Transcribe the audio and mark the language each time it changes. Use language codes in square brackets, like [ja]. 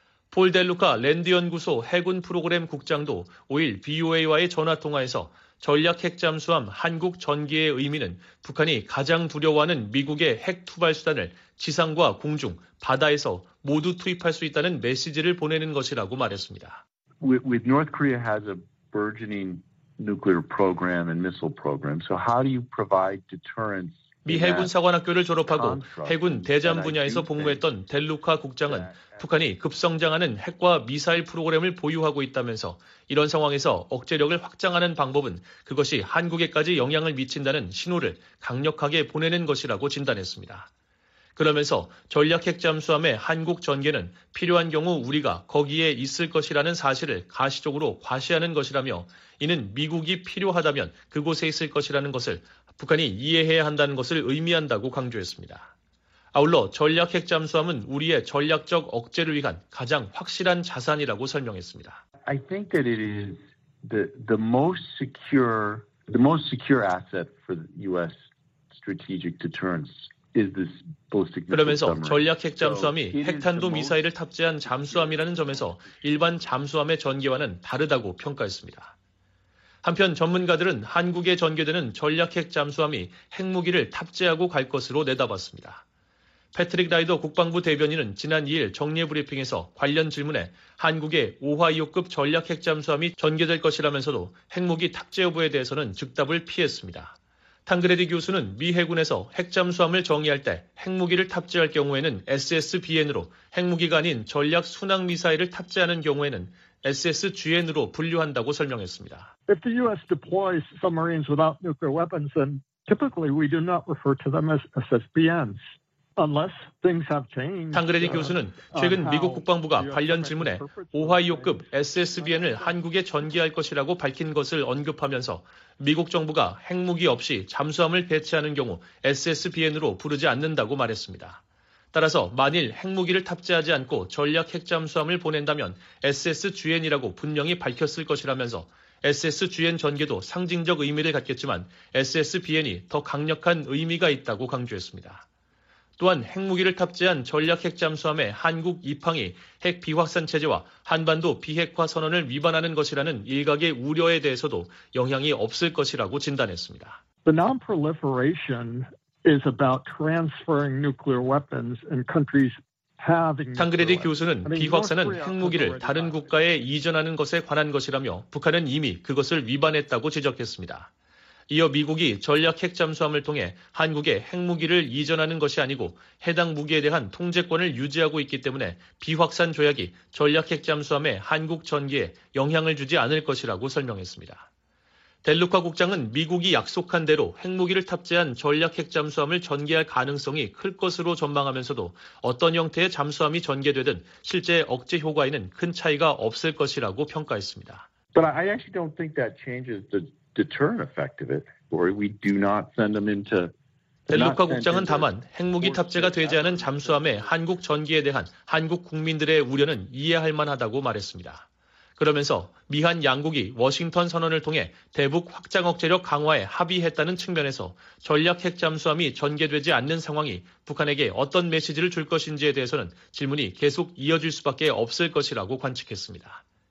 [ko] 폴 델루카 랜드 연구소 해군 프로그램 국장도 5일 BOA와의 전화 통화에서 전략 핵 잠수함 한국 전기의 의미는 북한이 가장 두려워하는 미국의 핵 투발수단을 지상과 공중, 바다에서 모두 투입할 수 있다는 메시지를 보내는 것이라고 말했습니다. [en] With North Korea has a burgeoning nuclear program and missile program. So how do you provide deterrence? [ko] 미 해군 사관학교를 졸업하고 해군 대잠 분야에서 복무했던 델루카 국장은 북한이 급성장하는 핵과 미사일 프로그램을 보유하고 있다면서 이런 상황에서 억제력을 확장하는 방법은 그것이 한국에까지 영향을 미친다는 신호를 강력하게 보내는 것이라고 진단했습니다. 그러면서 전략 핵 잠수함의 한국 전개는 필요한 경우 우리가 거기에 있을 것이라는 사실을 가시적으로 과시하는 것이라며 이는 미국이 필요하다면 그곳에 있을 것이라는 것을 북한이 이해해야 한다는 것을 의미한다고 강조했습니다. 아울러 전략 핵 잠수함은 우리의 전략적 억제를 위한 가장 확실한 자산이라고 설명했습니다. [en] I think that it is the most secure asset for US strategic deterrence. [ko] 그러면서 전략 핵 잠수함이 핵탄도 미사일을 탑재한 잠수함이라는 점에서 일반 잠수함의 전개와는 다르다고 평가했습니다. 한편 전문가들은 한국에 전개되는 전략 핵 잠수함이 핵무기를 탑재하고 갈 것으로 내다봤습니다. 패트릭 라이더 국방부 대변인은 지난 2일 정례 브리핑에서 관련 질문에 한국에 오하이오급 전략 핵 잠수함이 전개될 것이라면서도 핵무기 탑재 여부에 대해서는 즉답을 피했습니다. 탕그레디 교수는 미 해군에서 핵잠수함을 정의할 때 핵무기를 탑재할 경우에는 SSBN으로 핵무기가 아닌 전략 순항 미사일을 탑재하는 경우에는 SSGN으로 분류한다고 설명했습니다. [en] If the US deploys submarines without nuclear weapons, then typically we do not refer to them as SSBNs. [ko] 탕그레디 교수는 최근 미국 국방부가 관련 질문에 오하이오급 SSBN을 한국에 전개할 것이라고 밝힌 것을 언급하면서 미국 정부가 핵무기 없이 잠수함을 배치하는 경우 SSBN으로 부르지 않는다고 말했습니다. 따라서 만일 핵무기를 탑재하지 않고 전략 핵잠수함을 보낸다면 SSGN이라고 분명히 밝혔을 것이라면서 SSGN 전개도 상징적 의미를 갖겠지만 SSBN이 더 강력한 의미가 있다고 강조했습니다. 또한 핵무기를 탑재한 전략 핵 잠수함의 한국 입항이 핵 비확산 체제와 한반도 비핵화 선언을 위반하는 것이라는 일각의 우려에 대해서도 영향이 없을 것이라고 진단했습니다. [en] The non-proliferation is about transferring nuclear weapons and countries [ko] 탕그레디 교수는 비확산은 핵무기를 다른 국가에 이전하는 것에 관한 것이라며 북한은 이미 그것을 위반했다고 지적했습니다. 이어 미국이 전략 핵 잠수함을 통해 한국에 핵무기를 이전하는 것이 아니고 해당 무기에 대한 통제권을 유지하고 있기 때문에 비확산 조약이 전략 핵 잠수함의 한국 전개에 영향을 주지 않을 것이라고 설명했습니다. 델루카 국장은 미국이 약속한 대로 핵무기를 탑재한 전략 핵 잠수함을 전개할 가능성이 클 것으로 전망하면서도 어떤 형태의 잠수함이 전개되든 실제 억제 효과에는 큰 차이가 없을 것이라고 평가했습니다. [en] But I actually don't think that changes the deterrent effect of it, or we do not send them into. [ko] 델루카 국장은 다만 핵무기 탑재가 되지 않은 잠수함의 한국 전개에 대한 한국 국민들의 우려는 이해할 만하다고 말했습니다. 그러면서 미한 양국이 워싱턴 선언을 통해 대북 확장 억제력 강화에 합의했다는 측면에서 전략 핵 잠수함이 전개되지 않는 상황이 북한에게 어떤 메시지를 줄 것인지에 대해서는 질문이 계속 이어질 수밖에 없을 것이라고 관측했습니다.